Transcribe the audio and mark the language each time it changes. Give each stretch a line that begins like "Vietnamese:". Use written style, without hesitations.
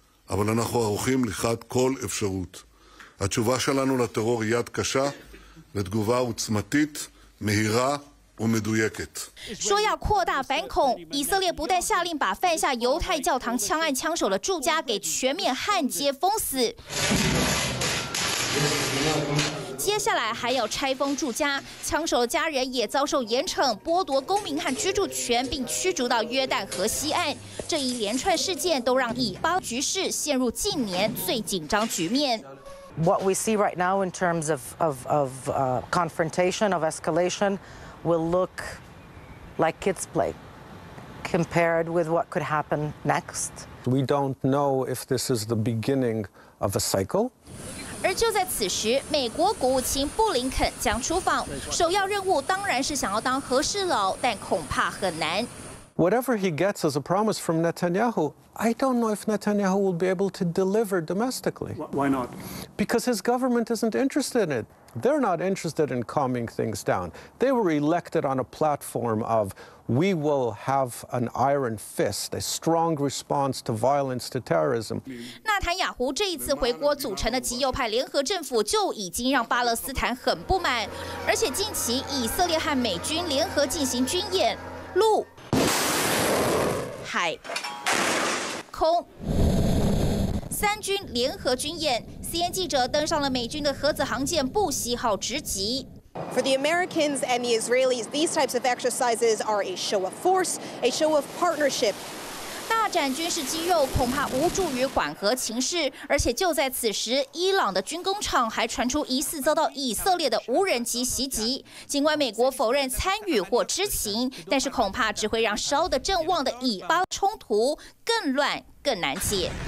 Hebrew: אבל אנחנו ערוכים לכת כל אפשרות. התשובה שלנו לטרור היא יד קשה, ותגובה עוצמתית, מהירה ומדויקת.
Chinese: 说要扩大反恐，以色列不但下令把犯下犹太教堂枪案枪手的住家给全面焊接封死，接下来还要拆封住家，枪手的家人也遭受严惩，剥夺公民和居住权，并驱逐到约旦河西岸。这一连串事件都让以巴局势陷入近年最紧张局面。
English: What we see right now in terms of confrontation of escalation will look like kids' play compared with what could happen next. We don't know if this is the beginning of a cycle.
Chinese: 而就在此时，美国国务卿布林肯将出访，首要任务当然是想要当和事佬，但恐怕很难。
English: Whatever he gets as a promise from Netanyahu, I don't know if Netanyahu will be able to deliver domestically. Why not? Because his government isn't interested in it. They're not interested in calming things down. They were elected on a platform of we will have an iron fist, a strong response to violence, to terrorism.
Chinese: 纳坦雅胡这一次回国组成的极右派联合政府就已经让巴勒斯坦很不满，而且近期以色列和美军联合进行军演，陆。海空三军联合军演 ，CNN 记者登上了美军的核子航舰布希号直击。
English: For the Americans and the Israelis, these types of exercises are a show of force, a show of partnership.
Chinese: 大展军事肌肉恐怕无助于缓和情势，而且就在此时，伊朗的军工厂还传出疑似遭到以色列的无人机袭击。尽管美国否认参与或知情，但是恐怕只会让烧得正旺的以巴冲突更乱、更难解。